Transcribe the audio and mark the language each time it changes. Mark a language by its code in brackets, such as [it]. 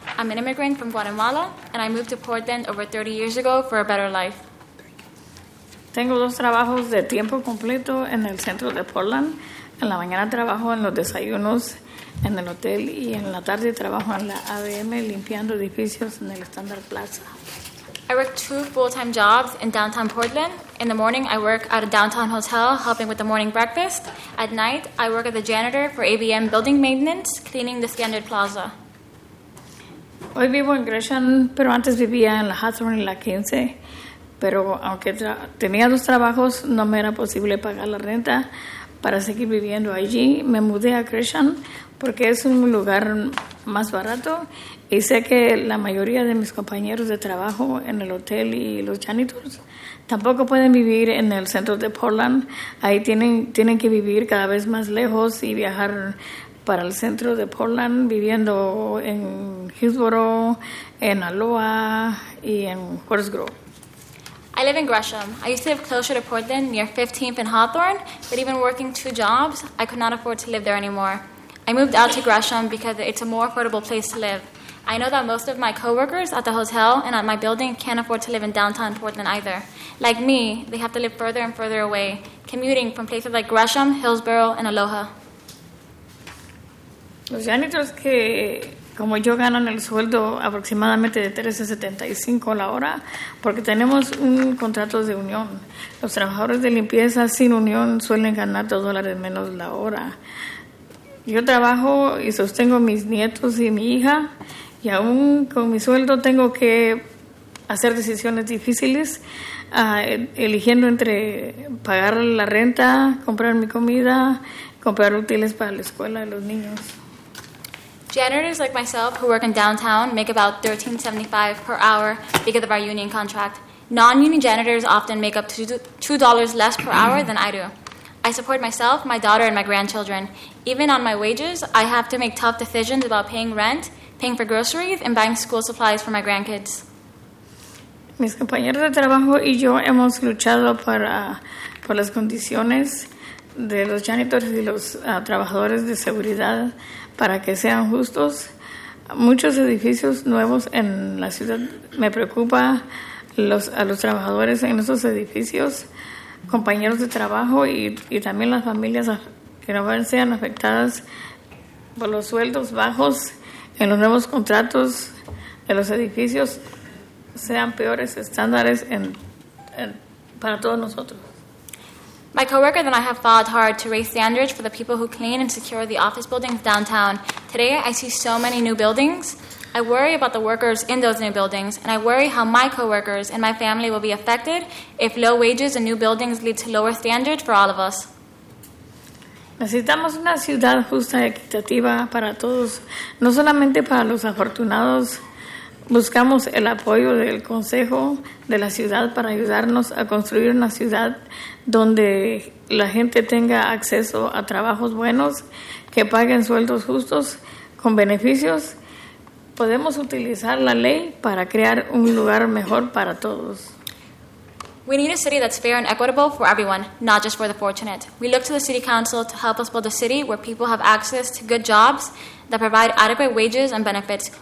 [en] I'm an immigrant from Guatemala, and I moved to Portland over 30 years ago for a better life. [es] Tengo dos trabajos de tiempo completo en el centro de Portland. En la mañana trabajo en los desayunos en el hotel y en la tarde trabajo en la ADM limpiando edificios en el Standard Plaza. [en] I work two full-time jobs in downtown Portland. In the morning, I work at a downtown hotel helping with the morning breakfast. At night, I work as a janitor for ABM building maintenance, cleaning the Standard Plaza. [es] Hoy vivo en Gresham, pero antes vivía en la Hawthorne y la 15. Pero aunque tenía dos trabajos, no me era posible pagar la renta para seguir viviendo allí. Me mudé a Gresham porque es un lugar más barato y sé que la mayoría de mis compañeros de trabajo en el hotel y los janitors tampoco pueden vivir en el centro de Portland. Ahí tienen que vivir cada vez más lejos y viajar para el centro de Portland viviendo en Hillsborough, en Aloha y en Horse Grove. [en] I live in Gresham. I used to live closer to Portland, near 15th and Hawthorne, but even working two jobs, I could not afford to live there anymore. I moved out to Gresham because it's a more affordable place to live. I know that most of my coworkers at the hotel and at my building can't afford to live in downtown Portland either. Like me, they have to live further and further away, commuting from places like Gresham, Hillsborough, and Aloha. [es] Los janitors que, como yo, ganan el sueldo aproximadamente de $3.75 la hora porque tenemos un contrato de unión. Los trabajadores de limpieza sin unión suelen ganar $2 menos la hora. Yo trabajo y sostengo mis nietos y mi hija, y aún con mi sueldo tengo que hacer decisiones difíciles, eligiendo entre pagar la renta, comprar mi comida, comprar útiles para la escuela de los niños. [en] Janitors like myself who work in downtown make about $13.75 per hour because of our union contract. Non-union janitors often make up $2 less per hour than I do. I support myself, my daughter, and my grandchildren. Even on my wages, I have to make tough decisions about paying rent, paying for groceries, and buying school supplies for my grandkids. [es] Mis compañeros de trabajo y yo hemos luchado por las condiciones de los janitores y los trabajadores de seguridad. Para que sean justos, muchos edificios nuevos en la ciudad me preocupa a los trabajadores en esos edificios, compañeros de trabajo y también las familias que no sean afectadas por los sueldos bajos en los nuevos contratos de los edificios sean peores estándares en para todos nosotros. [en] My coworker and I have fought hard to raise standards for the people who clean and secure the office buildings downtown. Today, I see so many new buildings. I worry about the workers in those new buildings, and I worry how my coworkers and my family will be affected if low wages and new buildings lead to lower standards for all of us. [es] Necesitamos una ciudad justa y equitativa para todos, no solamente para los afortunados. Buscamos el apoyo del Consejo de la Ciudad para ayudarnos a construir una ciudad donde la gente tenga acceso a trabajos buenos, que paguen sueldos justos, con beneficios. Podemos utilizar la ley para crear un lugar mejor para todos. [en] We need a city that's fair and equitable for everyone, not just for the fortunate. We look to the City Council to help us build a city where people have access to good jobs that provide adequate wages and benefits.